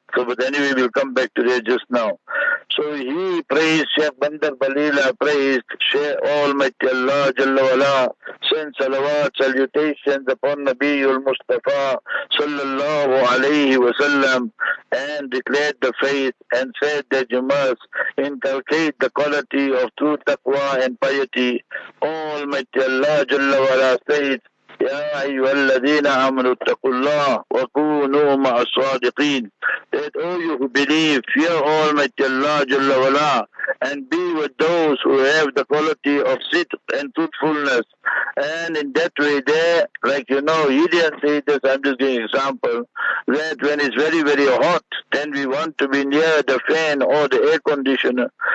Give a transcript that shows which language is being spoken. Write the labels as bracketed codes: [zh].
[en] So, but anyway, we'll come back to that just now. So he praised Sheikh Bandar Balila, praised Sheikh Almighty Allah Jalla Wala, sent salawat, salutations upon Nabiul Mustafa Sallallahu Alaihi Wasallam, and declared the faith and said that you must inculcate the quality of true taqwa and piety. Almighty Allah Jalla Wala said, [ar] يَا أَيُّهَا الَّذِينَ أَمَنُوا اتَّقُوا اللَّهِ وَكُونُوا مَعَ الصَّادِقِينَ. [en] That all you who believe, fear Almighty Allah Jalla Wala, and be with those who have the quality of sidq and truthfulness. And in that way there, like you know, he didn't say this, I'm just giving an example, that when it's very, very hot, then we want to be near the fan or the air conditioner.